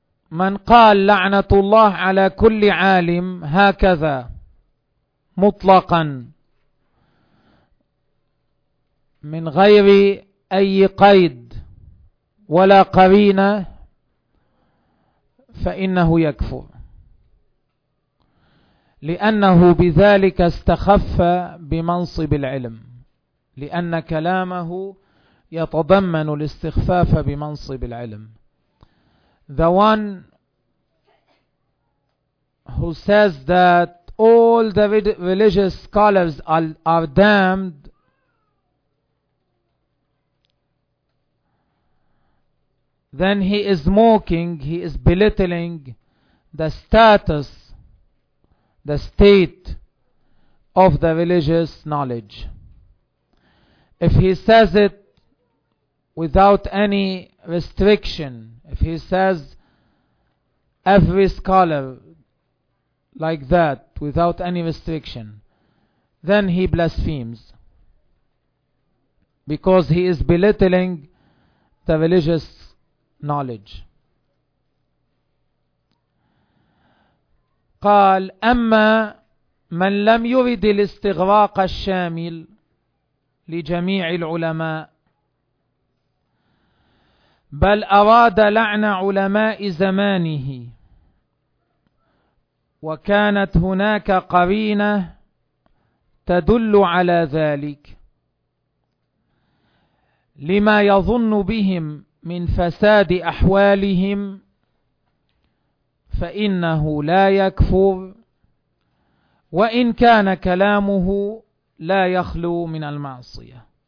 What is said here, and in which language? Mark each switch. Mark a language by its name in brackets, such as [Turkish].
[Arabic] من قال لعنة الله على كل عالم هكذا مطلقا من غير أي قيد ولا قرينة فإنه يكفر لأنه بذلك استخف بمنصب العلم لأن كلامه يتضمن الاستخفاف بمنصب العلم. [English] The one who says that all the religious scholars are damned, then he is mocking, he is belittling the status, the state of the religious knowledge. If he says it without any restriction, if he says every scholar like that without any restriction, then he blasphemes because he is belittling the religious knowledge. [Arabic] قال أما من لم يرد الاستغراق الشامل لجميع العلماء بل أراد لعن علماء زمانه وكانت هناك قرينة تدل على ذلك لما يظن بهم من فساد أحوالهم فإنه لا يكفر وإن كان كلامه لا يخلو من المعصية.